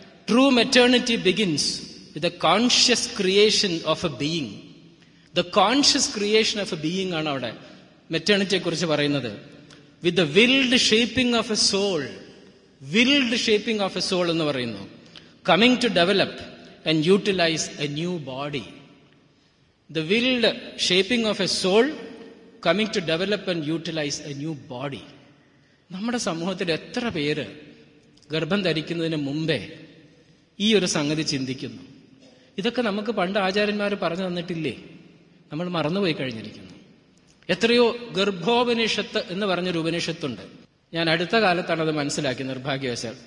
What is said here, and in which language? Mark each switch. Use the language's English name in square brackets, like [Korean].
[English] True maternity begins with a conscious creation of a being. The conscious creation of a being [Malayalam] ആണ് അവിടെ മെറ്റേണിറ്റിയെ കുറിച്ച് പറയുന്നത്. [English] with the willed shaping of a soul, willed shaping of a soul [Malayalam] എന്ന് പറയുന്നു. [English] Coming to develop and utilize a new body. The willed shaping of a soul coming to develop and utilize a new body. [Malayalam] നമ്മുടെ സമൂഹത്തിൽ എത്ര പേര് ഗർഭം ധരിക്കുന്നതിന് മുമ്പേ ഈ ഒരു സംഗതി ചിന്തിക്കുന്നു? ഇതൊക്കെ നമുക്ക് പണ്ട് ആചാര്യന്മാർ പറഞ്ഞു തന്നിട്ടില്ലേ? നമ്മൾ മറന്നുപോയി കഴിഞ്ഞിരിക്കുന്നു. എത്രയോ ഗർഭോപനിഷത്ത് എന്ന് പറഞ്ഞൊരു ഉപനിഷത്തുണ്ട്. ഞാൻ അടുത്ത കാലത്താണ് അത് മനസ്സിലാക്കി, നിർഭാഗ്യവശാൽ.